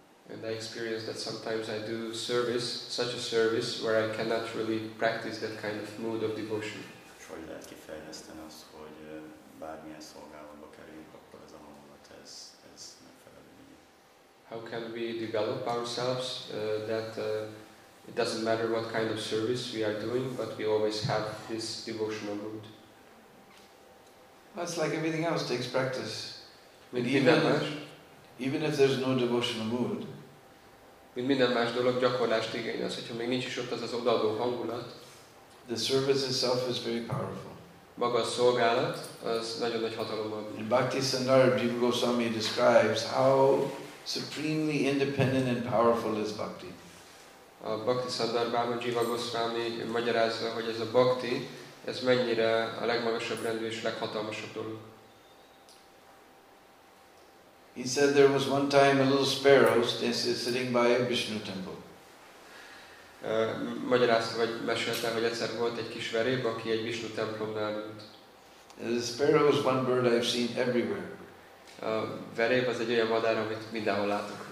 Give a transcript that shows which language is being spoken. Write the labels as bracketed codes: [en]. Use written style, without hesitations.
[en] And I experience that sometimes I do service, such a service, where I cannot really practice that kind of mood of devotion. [hu] És hogy lehet kifejleszteni azt, hogy bármilyen szolgálatba kerüljünk, akkor ez a hangulat, ez megfelelődik. [en] How can we develop ourselves that it doesn't matter what kind of service we are doing, but we always have this devotional mood? Well, it's like everything else takes practice. Even if there's no devotional mood, [hu] mint minden más dolog gyakorlást igény az, hogyha még nincs is ott az odaadó hangulat. [en] The service itself is very powerful. [hu] Maga a szolgálat, az nagyon nagy hatalommal. [en] In Bhaktisandara, Jiva Goswami describes how supremely independent and powerful is bhakti. [hu] A Bhaktisandarbhában Jiva Goswami magyarázza, hogy ez a bhakti, ez mennyire a legmagasabb rendű és leghatalmasabb dolog. [en] He said there was one time a little sparrow sitting by a Vishnu temple. [hu] Magyarázta vagy mesélte, hogy egyszer volt egy kis veréb, aki egy Vishnu templomnál ült. [en] The sparrow is one bird I've seen everywhere. [hu] Veréb az egy olyan madár, amit mindenhol látok.